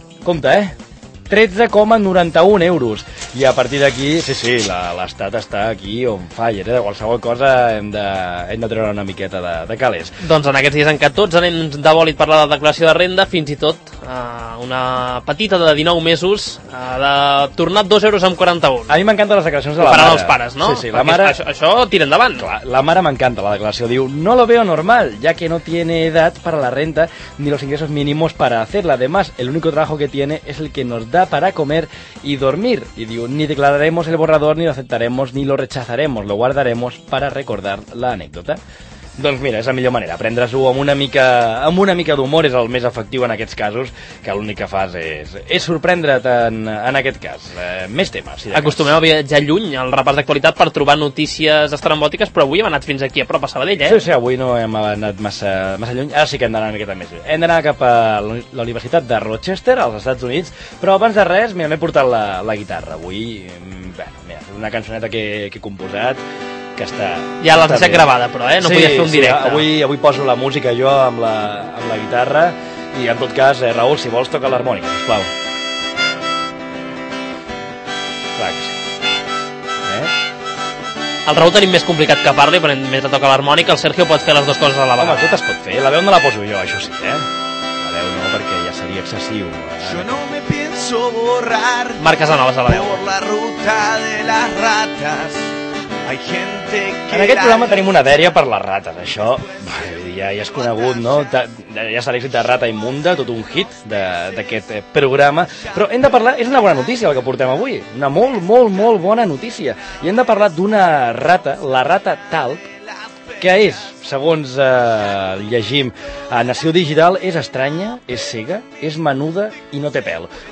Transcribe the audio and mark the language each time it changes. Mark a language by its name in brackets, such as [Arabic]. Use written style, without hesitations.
[Catalan] compte, 13,91 euros. I a partir d'aquí, sí, l'Estat està aquí on fire, eh? De qualsevol cosa hem de treure una miqueta de calés. Doncs en aquests dies en què tots anem de bòlit per la declaració de renda, fins i tot una petita de 19 mesos ha de tornar 2,41 euros. A mi m'encanten les declaracions de la mare. Per als pares, no? Sí, la mare... Això tira endavant. Clar, la mare m'encanta la declaració. [Spanish] Diu, no lo veo normal, ya que no tiene edad para la renta ni los ingresos mínimos para hacerla. Además, el único trabajo que tiene es el que nos da para comer y dormir. Y digo, ni declararemos el borrador, ni lo aceptaremos, ni lo rechazaremos. Lo guardaremos para recordar la anécdota. [Catalan] Doncs mira, és la millor manera. Prendre-s'ho amb una mica d'humor és el més efectiu en aquests casos, que l'únic que fas és sorprendre't en aquest cas. Més temes. Si acostumem a viatjar lluny al repàs d'actualitat per trobar notícies estrambòtiques, però avui hem anat fins aquí a prop a Sabadell, eh? Sí, avui no hem anat massa lluny. Ara sí que hem d'anar una miqueta més lluny. Hem d'anar cap a la Universitat de Rochester, als Estats Units, però abans de res, mira, m'he portat la guitarra avui. Bé, una cançoneta que he composat. Que està, ja l'has deixat gravada, però, no sí, podies fer un directe. Sí, avui poso la música jo amb la guitarra i, en tot cas, Raül, si vols, toca l'harmònica, sisplau. Clar que sí. El Raül tenim més complicat que parli, però mentre toca l'harmònica, el Sergio pot fer les dues coses a la vegada. Home, tot es pot fer. La veu no la poso jo, això sí, eh? La veu no, perquè ja seria excessiu. [Spanish] Jo no me pienso borrar. [Catalan] Marc Casanovas a la veu. Por la ruta de las ratas. En aquest programa tenim una dèria per les rates, això ja és conegut, no? Ja s'ha l'èxit de Rata Immunda, tot un hit d'aquest programa. Però hem de parlar, és una bona notícia el que portem avui, una molt, molt, molt bona notícia. I hem de parlar d'una rata, la rata talp, que és, segons llegim a Nació Digital, és estranya, és cega, és menuda i no té pèl.